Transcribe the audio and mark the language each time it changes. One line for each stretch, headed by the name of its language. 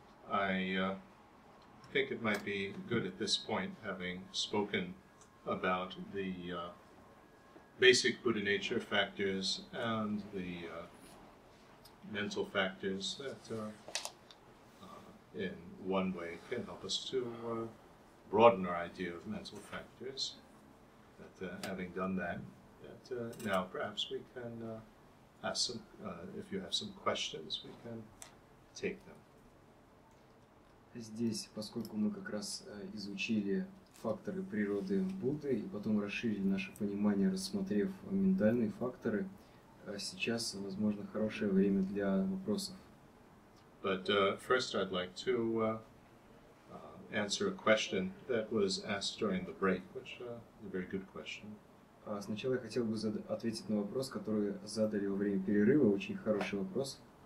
English: I think it might be good at this point, having spoken about the basic Buddha nature factors and the mental factors that in one way can help us to broaden our idea of mental factors. Having done that, now perhaps we can ask some, if you have some questions, we can take them.
Russian: Здесь, поскольку мы как раз изучили факторы природы Будды и потом расширили наше понимание, рассмотрев ментальные факторы, сейчас, возможно, хорошее время для вопросов.
English: But first I'd like to answer a question that was asked during the break, which is a very good question.
Russian: Сначала я хотел бы ответить на вопрос, который задали во время перерыва, очень хороший вопрос.